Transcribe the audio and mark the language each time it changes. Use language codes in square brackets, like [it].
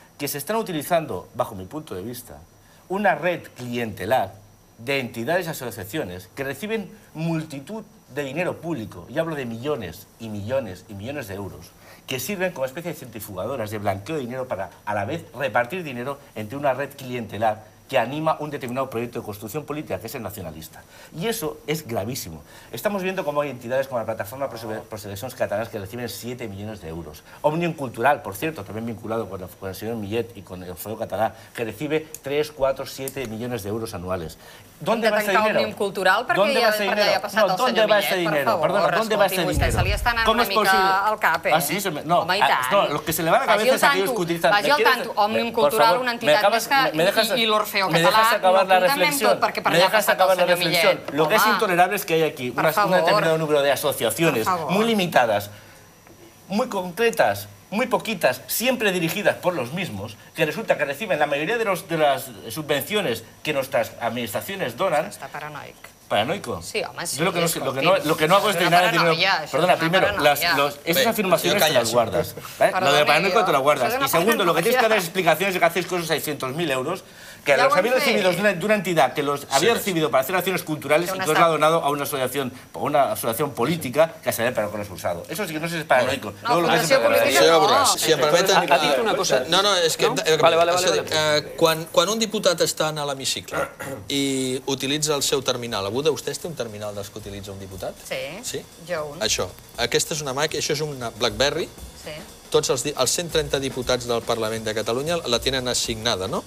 [es] Que se están utilizando, bajo mi punto de vista, una red clientelar de entidades y asociaciones que reciben multitud de dinero público, y hablo de millones y millones y millones de euros, que sirven como especie de centrifugadoras de blanqueo de dinero para a la vez repartir dinero entre una red clientelar que anima un determinado proyecto de construcción política, que es el nacionalista. Y eso es gravísimo. Estamos viendo cómo hay entidades como la Plataforma por Seleccions Catalanas que reciben 7 millones de euros. Òmnium Cultural, por cierto, también vinculado con el señor Millet y con el Foro Català, que recibe 3, 4, 7 millones de euros anuales. ¿Dónde va ese dinero? [ca] Òmnium Cultural, perquè ja ha passat el senyor Millet. [es] ¿Dónde va ese dinero? Perdona, ¿dónde va ese dinero? [ca] Se li està anant una mica al cap, eh? Ah, sí? [es] No, los que se le van a cabeza es aquellos que utilizan... [ca] Vagi al tanto, Òmnium Cultural, una entitat més que... [es] Me dejas acabar la reflexión. Me dejas acabar la reflexión. Lo que es intolerable es que hay aquí un determinado número de asociaciones muy limitadas, muy concretas, muy poquitas, siempre dirigidas por los mismos, que resulta que reciben la mayoría de las subvenciones que nuestras administraciones donan. Está paranoico. ¿Paranoico? [ca] Sí, home, sí. [es] Yo lo que no hago es drenar el dinero... Perdona, primero, esas afirmaciones te las guardas. Lo de paranoico te lo guardas. Y segundo, lo que tienes que dar explicaciones es que hacéis cosas a 600.000 euros, que los había recibido de una entidad que los había recibido para hacer acciones culturales y que os lo ha donado a una asociación política que se ve para con expulsado. Eso sí que no es paranoico. No, lo que es paranoico. [ca] Senyor Borràs, si em permeten... Ha dit una cosa... No, no, és que... Vale. Quan un diputat està a l'hemicicle i utilitza el seu terminal, algú de vostès té un terminal dels que utilitza un diputat? Sí, jo un. Això. Aquesta és una Mac, això és una BlackBerry. Sí. Tots els 130 diputats del Parlament de Catalunya la tenen assignada, no?